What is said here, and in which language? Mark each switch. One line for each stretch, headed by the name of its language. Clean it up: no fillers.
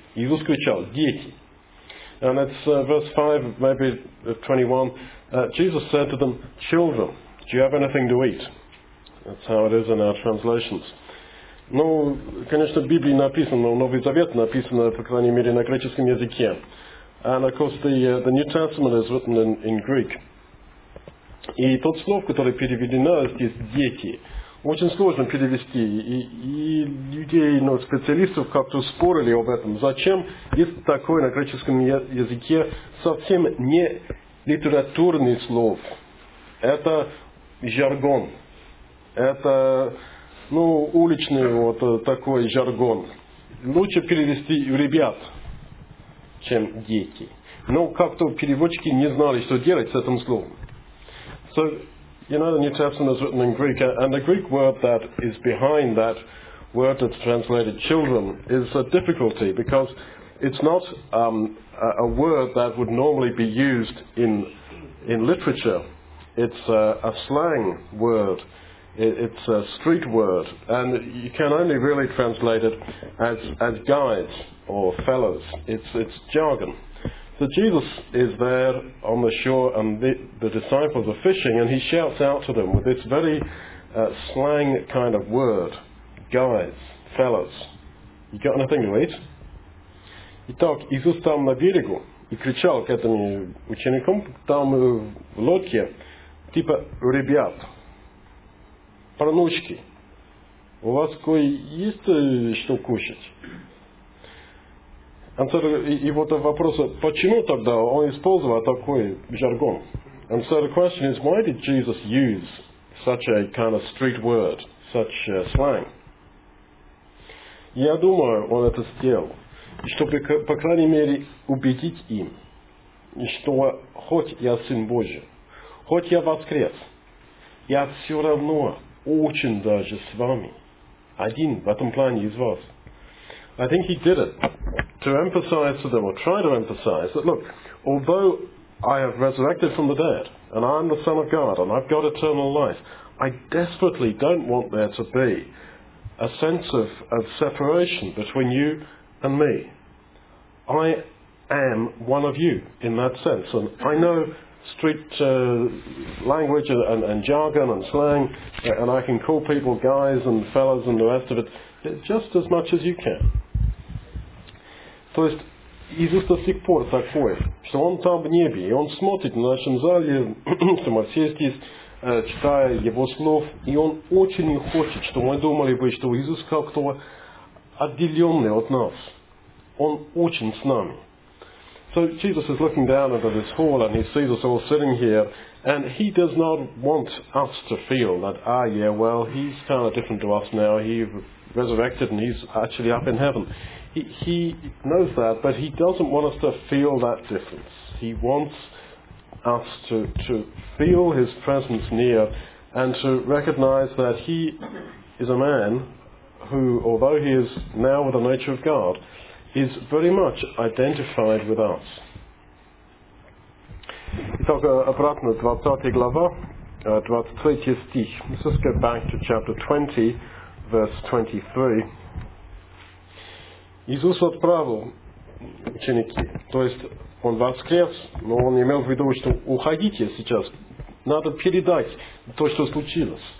Russian: Иисус кричал, дети.
English: And it's verse 5, maybe 21. Jesus said to them, children, do you have anything to eat? That's how it is in our translations.
Russian: Ну, конечно, в Библии написано, Новый Завет написано, по крайней мере, на греческом языке.
English: And, of course, the New Testament is written in Greek.
Russian: И тот слов, который переведено здесь, дети, очень сложно перевести. И людей, ну, специалистов как-то спорили об этом. Зачем есть такое на греческом языке совсем не литературный слов? Это жаргон. Это... Ну, уличный вот такой жаргон. Лучше перевести «ребят», чем «дети». Но как-то переводчики не знали, что делать с этим словом.
English: So, you know, the New Testament is written in Greek, and the Greek word that is behind that word that's translated «children» is a difficulty, because it's not a word that would normally be used in literature. It's a slang word. It's a street word, and you can only really translate it as guides or fellows. It's jargon. So Jesus is there on the shore, and the disciples are fishing, and he shouts out to them with this very slang kind of word, guides, fellows. You got anything to eat?
Russian: Итак, Иисус там на берегу и кричал к этим ученикам там в лодке, типа ребят. Парнучки, у вас кое-есть что кушать? И вот вопрос, почему тогда он использовал такой жаргон?
English: And so the question is, why did Jesus use such a kind of street word, such slang?
Russian: Я думаю, он это сделал. чтобы, по крайней мере, убедить им, что хоть я Сын Божий, хоть я воскрес, я все равно очень даже с вами. Один в этом плане из вас.
English: I think he did it to emphasize to them, or try to emphasize, that look, although I have resurrected from the dead, and I am the Son of God, and I've got eternal life, I desperately don't want there to be a sense of separation between you and me. I am one of you in that sense, and I know street language and jargon and slang, and I can call people guys and fellas and the rest of it just as much as you can.
Russian: То есть Иисус до сих пор такой, что Он там в небе, и Он смотрит на нашем зале, что мы все здесь, читая Его слов, и Он очень не хочет, что мы думали бы, что Иисус как-то отделенный от нас. Он очень с нами.
English: So Jesus is looking down into this hall and he sees us all sitting here, and he does not want us to feel that, ah yeah, well, he's kind of different to us now, he resurrected and he's actually up in heaven. He knows that, but he doesn't want us to feel that difference. He wants us to feel his presence near and to recognize that he is a man who, although he is now with the nature of God, is very much identified with us.
Russian: Итак, обратно, 20 глава, 23 стих.
English: Let's just go back to chapter 20, verse 23.
Russian: Иисус отправил ученики, то есть Он воскрес, но Он имел в виду, что уходите сейчас, надо передать то, что случилось.